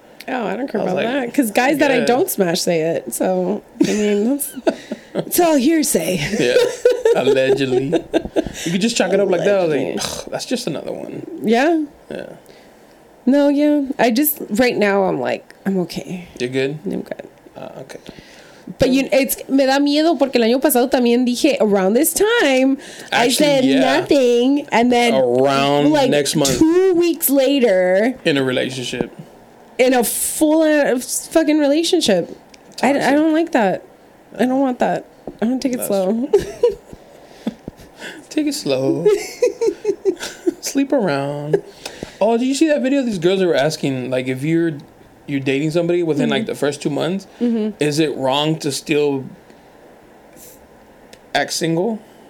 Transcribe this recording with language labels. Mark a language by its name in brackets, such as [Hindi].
[English] Oh, I don't care about that. Because guys that I don't smash say it. So, I mean, it's all hearsay. Yeah. Allegedly. You could just chalk it up like that. I was like, that's just another one. Yeah? Yeah. No, yeah. I just, right now, I'm like, I'm okay. You're good? I'm good. Okay. But you, it's, [Spanish] me da miedo porque el año pasado también dije, [English] around this time, actually, I said nothing. And then, around like, next month, 2 weeks later, in a relationship. In a full fucking relationship. I don't like that. I don't want that. I want to take it slow. Take it slow. Sleep around. Oh, did you see that video? These girls were asking, like, if you're dating somebody within, like, the first 2 months, is it wrong to still act single?